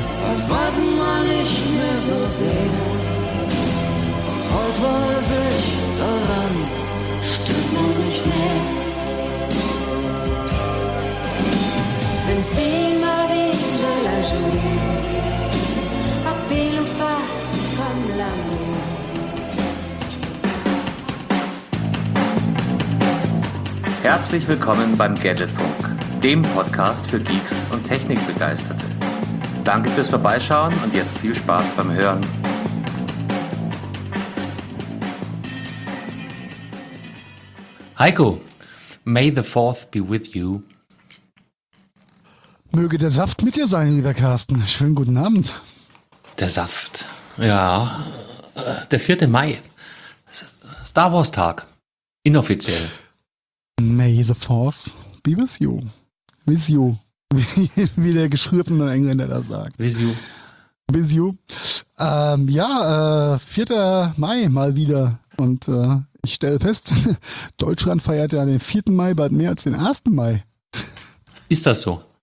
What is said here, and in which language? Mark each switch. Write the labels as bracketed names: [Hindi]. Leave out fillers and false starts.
[German] Uns warten wir nicht mehr so sehr. Und heute weiß ich, daran stimmt noch nicht mehr. [French] Même si ma vie, je la joue à pile ou face comme l'amour. [German] Herzlich willkommen beim Gadgetfunk, dem Podcast für Geeks und Technikbegeisterte. Danke fürs Vorbeischauen und jetzt viel Spaß beim Hören. [English] Heiko, may the fourth be with you. [German] Möge der Saft mit dir sein, lieber Carsten. Schönen guten Abend. Der Saft, ja. Der 4. Mai, Star Wars Tag, inoffiziell. [English] May the force be with you. With you. [German] Wie der geschrürfende Engländer da sagt. [English] With you. With you. [German] 4. Mai mal wieder. Und ich stelle fest, Deutschland feiert ja den 4. Mai bald mehr als den 1. Mai. Ist das so?